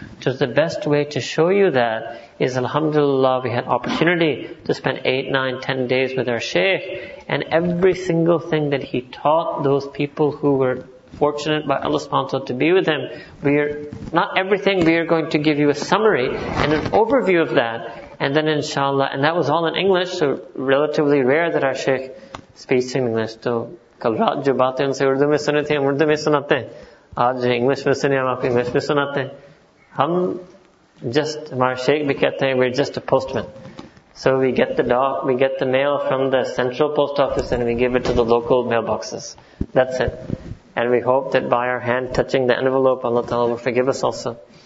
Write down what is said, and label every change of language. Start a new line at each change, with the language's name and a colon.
English: So the best way to show you that is, alhamdulillah, we had opportunity to spend 8, 9, 10 days with our shaykh, and every single thing that he taught those people who were fortunate by Allah subhanahu wa ta'ala to be with him, we are going to give you a summary and an overview of that. And then inshallah, and that was all in English, so relatively rare that our shaykh speaks in English.
Urdu: سو، کل رات جو باتیں ان سے اردو میں سناتے تھے، ہم اردو میں سناتے ہیں. آج جو انگلش میں سناتے ہیں، ہم آپکو انگلش میں سناتے ہیں. ہم
English: just, our shaykh
Urdu: بھی کہتے ہیں،
English: we're just a postman. So we get the dock, we get the mail from the central post office and we give it to the local mailboxes. That's it. And we hope that by our hand touching the envelope, Allah Ta'ala will forgive us also.